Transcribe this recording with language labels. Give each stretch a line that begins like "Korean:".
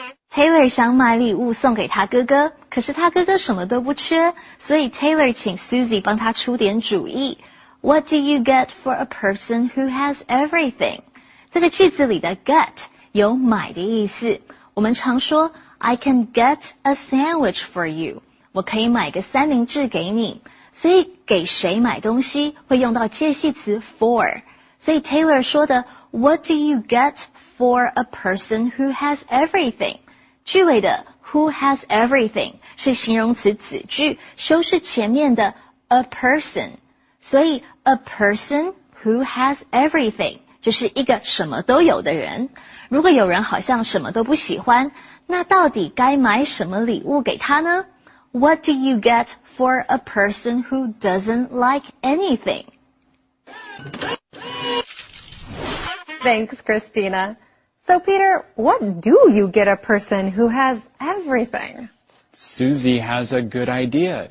Chinese: Taylor 想买礼物送给他哥哥，可是他哥哥什么都不缺，所以 Taylor 请 Susie 帮他出点主意。
English: What do you get for a person who has everything?
Chinese: 这个句子里的 get 有买的意思。我们常说
English: I can get a sandwich for you.
Chinese: 我可以买个三明治给你。所以给谁买东西会用到介系词 for。所以
English: Taylor
Chinese: 说的
English: What do you get for a person who has everything?
Chinese: 句尾的
English: who has everything
Chinese: 是形容词子句，修饰前面的
English: a person。
Chinese: 所以
English: a person who has everything
Chinese: 就是一个什么都有的人。如果有人好像什么都不喜欢，那到底该买什么礼物给他呢？
English: What do you get for a person who doesn't like anything? Thanks, Christina. So, Peter, what do you get a person who has everything? Susie has a good idea.